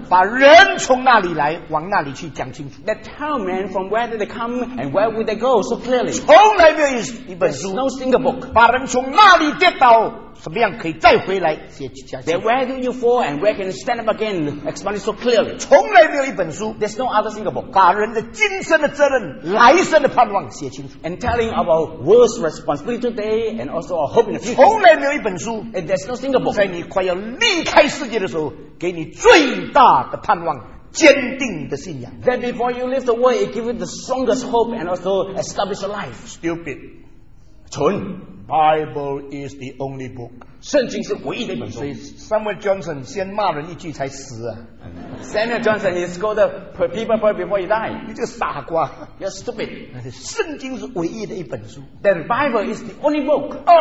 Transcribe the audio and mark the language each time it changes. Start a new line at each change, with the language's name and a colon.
Chinese: 把人从哪里来，往哪里去讲清楚。
English: That tell men from where did they come and where would they go so clearly.
Chinese: 从来没有一本书。
English: There's no single book.
Chinese: 把人从哪里跌倒，什么样可以再回来写。
English: Where do you fall and where can you stand up again? Explain it so clearly.
Chinese: 从来没有一本书。
English: There's no other single book.
Chinese: 把人的今生的责任，来生的盼望写清楚。
English: And telling about world's responsibility today and also our hope in the future.
Chinese: 从来没有一本书。
English: And there's no single book.
Chinese: 在你快要离开世界的时候，给你最大的盼望，坚定的信仰。
English: Then before you leave the world, it gives you the strongest hope and also establish a life. Stupid.
Chinese: 蠢。
English: Bible is the only book.
Chinese: 圣经是唯一的一本书。 Samuel Johnson 先骂人一句才死啊。
English: Samuel Johnson is called people before he died.
Chinese: 你这个傻瓜。
English: You're stupid.
Chinese: 圣经是唯一的一本书。
English: Then Bible is the only book.